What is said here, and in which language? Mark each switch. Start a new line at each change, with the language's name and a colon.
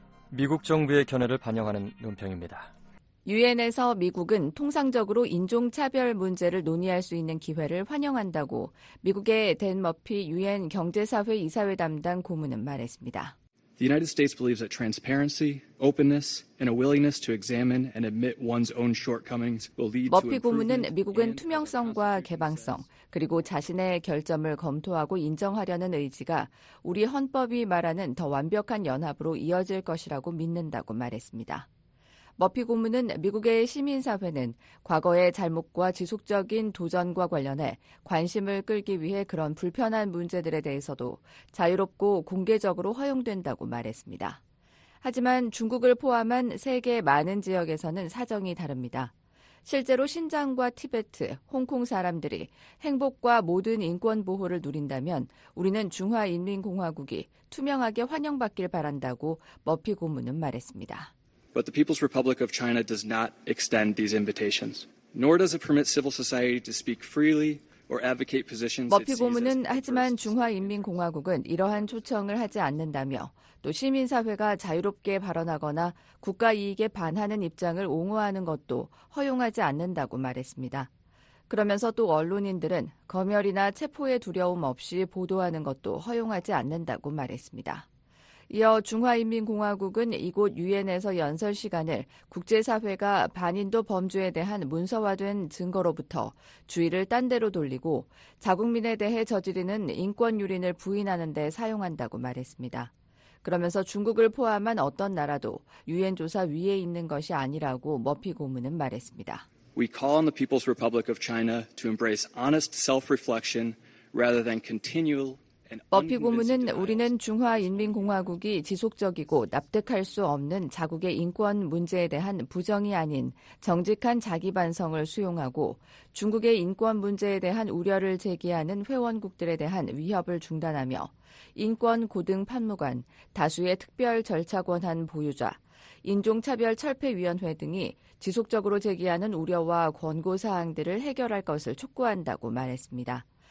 Korean: 미국 정부의 견해를 반영하는 논평입니다. 유엔에서 미국은 통상적으로 인종차별 문제를 논의할 수 있는 기회를 환영한다고 미국의 댄 머피 유엔 경제사회 이사회 담당 고문은 말했습니다.
English: The United States believes that transparency, openness, and a willingness to examine and admit one's own shortcomings will lead to improvement.
Korean: 머피 고문은 미국은 투명성과 개방성, 그리고 자신의 결점을 검토하고 인정하려는 의지가 우리 헌법이 말하는 더 완벽한 연합으로 이어질 것이라고 믿는다고 말했습니다. 머피 고문은 미국의 시민사회는 과거의 잘못과 지속적인 도전과 관련해 관심을 끌기 위해 그런 불편한 문제들에 대해서도 자유롭고 공개적으로 허용된다고 말했습니다. 하지만 중국을 포함한 세계 많은 지역에서는 사정이 다릅니다. 실제로 신장과 티베트, 홍콩 사람들이 행복과 모든 인권 보호를 누린다면 우리는 중화인민공화국이 투명하게 환영받길 바란다고 머피 고문은 말했습니다.
English: But the People's Republic of China does not extend these invitations, nor does it permit civil society to speak freely or advocate positions.
Korean: 머피 고문은 하지만 중화인민공화국은 이러한 초청을 하지 않는다며 또 시민사회가 자유롭게 발언하거나 국가 이익에 반하는 입장을 옹호하는 것도 허용하지 않는다고 말했습니다. 그러면서 또 언론인들은 검열이나 체포의 두려움 없이 보도하는 것도 허용하지 않는다고 말했습니다. 이어 중화인민공화국은 이곳 유엔에서 연설 시간을 국제사회가 반인도 범죄에 대한 문서화된 증거로부터 주의를 딴 데로 돌리고 자국민에 대해 저지르는 인권유린을 부인하는 데 사용한다고 말했습니다. 그러면서 중국을 포함한 어떤 나라도 유엔 조사 위에 있는 것이 아니라고 머피 고문은 말했습니다.
English: We call on the People's Republic of China to embrace honest self-reflection rather than continual
Korean: 머피 고문은 우리는 중화인민공화국이 지속적이고 납득할 수 없는 자국의 인권 문제에 대한 부정이 아닌 정직한 자기 반성을 수용하고 중국의 인권 문제에 대한 우려를 제기하는 회원국들에 대한 위협을 중단하며 인권 고등 판무관, 다수의 특별 절차 권한 보유자, 인종차별 철폐위원회 등이 지속적으로 제기하는 우려와 권고사항들을 해결할 것을 촉구한다고 말했습니다.